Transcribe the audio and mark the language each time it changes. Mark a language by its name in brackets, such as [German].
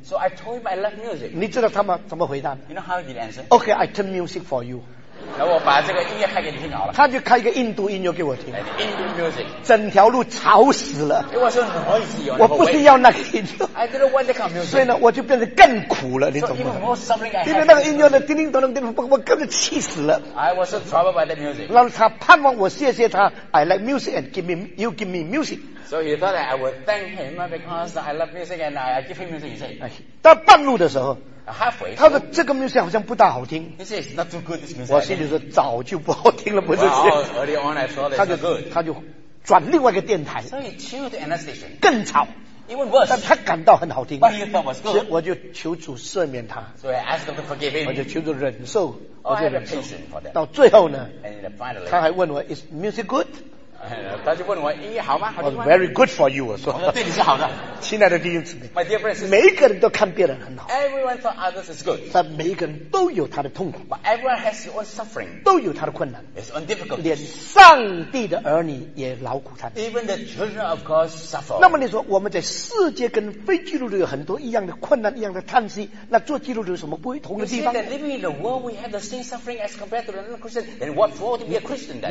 [English] So I told him I like music [Chinese] 你知道他们怎么回答 [English] You know how he answered Okay I turn music for you [Chinese] 然后我把这个音乐开给你听好了他就开一个印度音乐给我听 [English] Indo music [Chinese] 整条路吵死了 [English] It was so noisy [Chinese] 我不是要那个音乐 [English] I don't know what kind of music [Chinese] 所以呢我就变得更苦了你懂吗 [English] So even more suffering I had [Chinese] 因为那个音乐的叮叮咚咚叮咚我根本气死了 [English] I was so troubled by the music [Chinese] 然后他盼望我谢谢他 [English] I like music and give me, you give me music So he thought that I would thank him because I love music and I give him music he said [Chinese] 到半路的时候 [English] Halfway, [Chinese] 他说这个 music 好像不大好听 [English] This is not too good, this music, [Chinese] 我心里说早就不好听了不是 [English] well, early on I saw that it's not good [Chinese] 他就转另外一个电台 [English] So he tuned to another station [Chinese] 更吵 [English] Even worse [Chinese] 但他感到很好听 [English] But he thought it was good [Chinese] 我就求主赦免他 [English] So I asked him to forgive him [Chinese] 我就求主忍受 [English] Oh, [Chinese] 我就忍受 [English] I have a patience for that [Chinese] 到最后呢 [English] And finally, [Chinese] 他还问我 [English] Is music good? [Chinese] 他就问我音乐好吗 [English] It was very good for you [Chinese] 我说对你是好的亲爱的弟兄姊妹 [English] My dear friends [Chinese] 每一个人都看别人很好 [English] Everyone thought others is good [Chinese] 但每一个人都有他的痛苦 [English] But everyone has his own suffering [Chinese] 都有他的困难 [English] His own difficulties [Chinese] 连上帝的儿女也劳苦叹 [English] Even the children of God suffer [Chinese] 那么你说我们在世界跟非基督徒有很多一样的困难一样的叹息那做基督徒有什么不同的地方 [English] You see that living in the world we have the same suffering as compared to the non-Christian then what for to be a Christian then